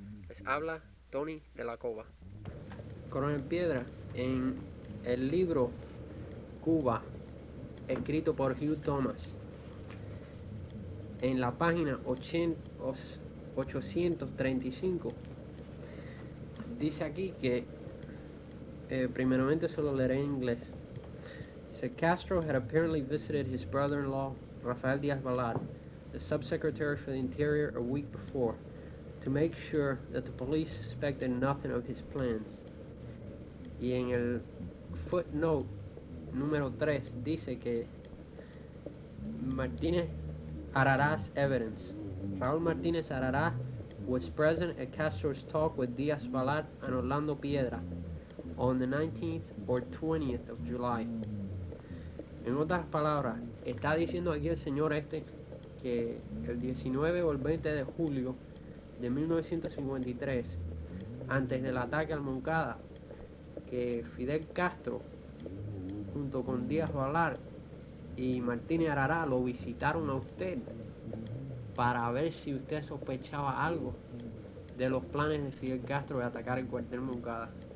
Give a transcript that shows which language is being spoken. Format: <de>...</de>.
<es>Les habla Tony de la Cova. Coronel Piedra, en el libro Cuba, escrito por Hugh Thomas, en la página 835, dice aquí que, primeramente solo leeré en inglés.</es> <en>Dice: Castro had apparently visited his brother-in-law, Rafael Díaz-Balart, the subsecretary for the interior, a week before, to make sure that the police suspected nothing of his plans.</en> <es>Y en el footnote número 3 dice que Martínez Araraz evidence.</es> <en>Raúl Martínez Araraz was present at Castro's talk with Díaz-Balart and Orlando Piedra on the 19th or 20th of July.</en> <es>En otras palabras, está diciendo aquí el señor este que el 19 o el 20 de julio de 1953, antes del ataque al Moncada, que Fidel Castro junto con Díaz-Balart y Martínez Arará lo visitaron a usted para ver si usted sospechaba algo de los planes de Fidel Castro de atacar el cuartel Moncada.</es>